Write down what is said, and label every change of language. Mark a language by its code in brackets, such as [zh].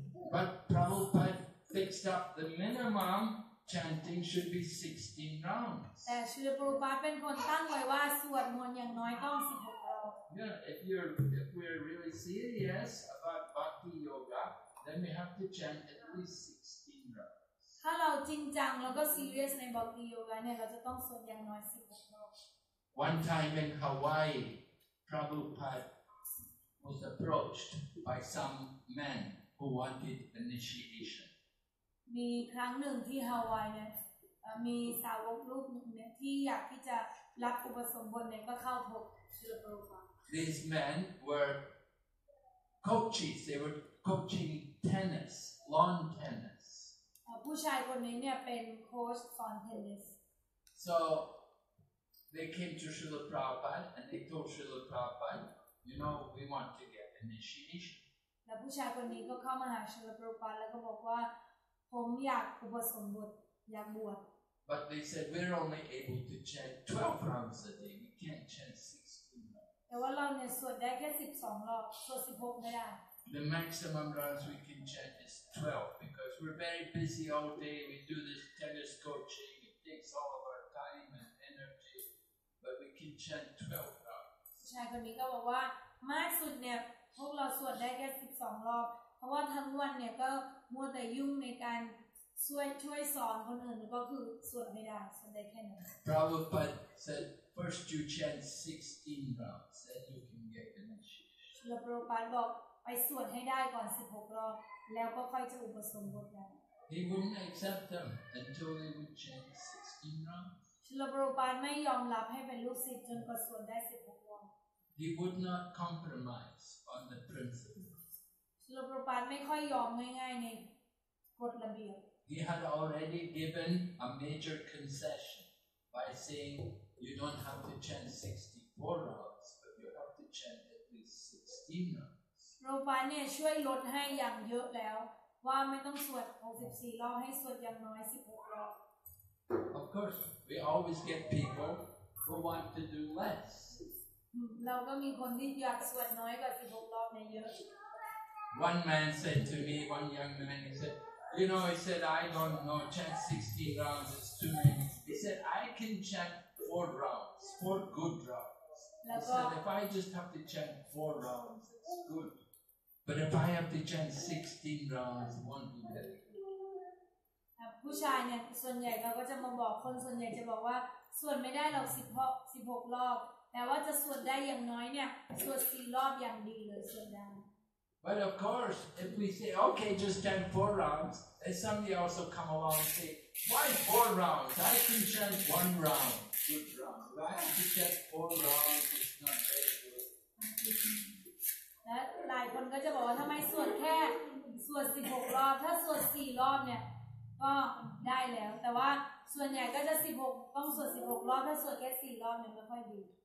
[en] But Prabhupada fixed up the minimum chanting should be 16 rounds. [th] แต่ศิลปุปาเป็นคนตั้งไว้ว่าสวดมนต์อย่างน้อยต้อง16รอบ [en] Yeah, if we're really serious about bhakti yoga, then we have to chant at least 16 rounds. [th] ถ้าเราจริงจังแล้วก็ serious ใน bhakti yoga เนี่ยเราจะต้องสวดอย่างน้อย16รอบ [en] One time in Hawaii, Prabhupada was approached by some men who wanted initiation. [th] มีครั้งหนึ่งที่ฮาวายเนี่ยมีสาวกรูปหนึ่งเนี่ยที่อยากที่จะรับอุปสมบทเนี่ยก็เข้าพบศิลปรูปา [en] These men were coaches. They were coaching tennis, lawn tennis. [th] ผู้ชายคนนี้เนี่ยเป็นโค้ชสอนเทนนิส [en] So they came to Srila Prabhupada and they told Srila Prabhupada. You know, we want to get initiation. [th] The ผู้ชายคนนี้ก็เข้ามาหาศิลปรูปาแล้วก็บอกว่าผมอยากอุปสมบทอยากบวช [en] But they said we're only able to chant 12 rounds a day. We can't chant 16 rounds. [th] แต่ว่าเราเนี่ยสวดได้แค่12รอบสวด16ไม่ได้ [en] The maximum rounds we can chant is 12 because we're very busy all day. We do this tennis coaching. It takes all of our time and energy, but we can chant 12. [th] ชายคนนี้ก็บอกว่ามากสุดเนี่ยพวกเราสวดได้แค่12รอบเพราะว่าทั้งวันเนี่ยก็มัวแต่ยุ่งในการช่วยสอนคนอื่นก็คือสวดไม่ได้สวดได้แค่นั้น [en] Prabhupada said first you chant 16 rounds then you can get initiation [th] ศิลปรูปาบอกไปสวดให้ได้ก่อน16รอบแล้วก็ค่อยจะอุปสมบทได้ [en] He wouldn't accept them until they would chant 16 rounds [th] ศิลปรูปาไม่ยอมรับให้เป็นลูกศิษย์จนกว่าสวดได้16 [en] He would not compromise on the principles. [th] ศิลปรูปาไม่ค่อยยอมง่ายๆในกฎระเบียบ [en] He had already given a major concession by saying you don't have to chant 64 rounds, but you have to chant at least 16 rounds. [th] รูปาเนี่ยช่วยลดให้อย่างเยอะแล้วว่าไม่ต้องสวด64รอบให้สวดอย่างน้อย16รอบ [en] Of course, we always get people who want to do less. [th] เราก็มีคนที่อยากสวดน้อยกว่า16รอบในเยอะ [en] One man said to me, one young man, he said, you know, he said, I don't know, chant 16 rounds, it's too many. He said, I can chant 4 rounds, 4 good rounds. He said, if I just have to chant 4 rounds, it's good. But if I have to chant 16 rounds, it won't be very good. [th] ผู้ชายเนี่ยส่วนใหญ่เราก็จะมาบอกคนส่วนใหญ่จะบอกว่าสวดไม่ได้หรอก16รอบ แต่ว่าจะสวดได้อย่างน้อยเนี่ยสวด4รอบอย่างดีเลยสวดได้ [en] But of course if we say okay just chant 4 rounds then somebody also come along and say why 4 rounds I can chant 1 round good round right to chant 4 rounds is not very good [th] และหลายคนก็จะบอกว่าทำไมสวดแค่สวด16รอบถ้าสวด4รอบเนี่ยก็ได้แล้วแต่ว่าส่วนใหญ่ก็จะ16ต้องสวด16รอบถ้าสวดแค่4รอบเนี่ยไม่ค่อยดี